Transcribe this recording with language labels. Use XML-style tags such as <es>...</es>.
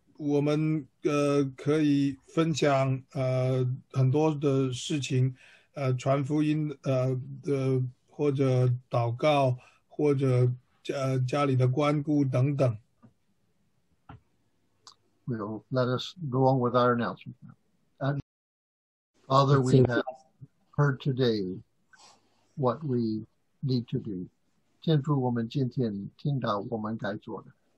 <zh>我们可以分享很多的事情，传福音的或者祷告或者家里的关顾等等。</zh> <en>We'll let us go on with our announcement. And Father, we have heard today what we need to do.</en> <zh>天父，我们今天听到我们该做的。</zh>